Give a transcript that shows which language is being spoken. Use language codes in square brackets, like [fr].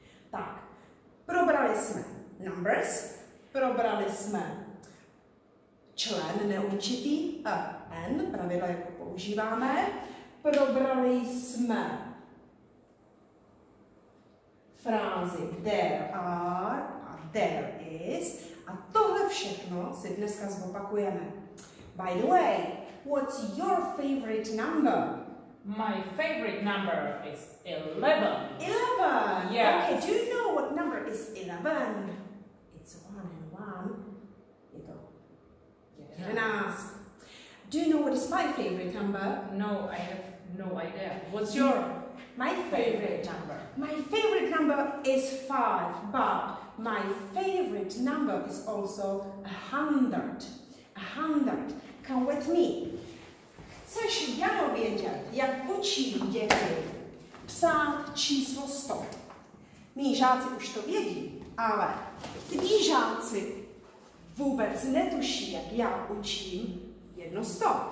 [cs] Tak, probrali jsme numbers, probrali jsme člen neurčitý, N, pravidla, jak ho používáme, probrali jsme frázi [en] there are [cs] a [en] there is, [cs] a tohle všechno si dneska zopakujeme. [en] By the way, what's your favorite number? My favorite number is 11. 11? Yes. Okay, do you know what number is 11? It's 1 and 1. [cs] Je to 11. [en] Do you know what is my favorite number? No, I have no idea. What's your favorite number? My favorite number is 5, but my favorite number is also 100. 100. Come with me. [cs] Chceš Jano vědět, jak učí děti psát číslo 100? Mí žáci už to vědí, ale tví žáci vůbec netuší, jak já učím jedno 100.